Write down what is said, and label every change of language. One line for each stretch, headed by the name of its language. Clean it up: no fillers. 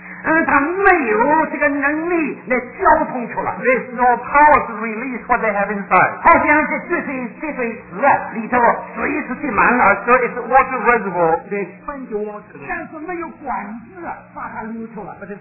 Chinese: 他没有这个能力来交通出来。
English: There's no power to release what they have inside.
Chinese: 好像是这水池里头水是积满了。
English: So it's a water reservoir.
Chinese: 对，但是没有管子把它流出来。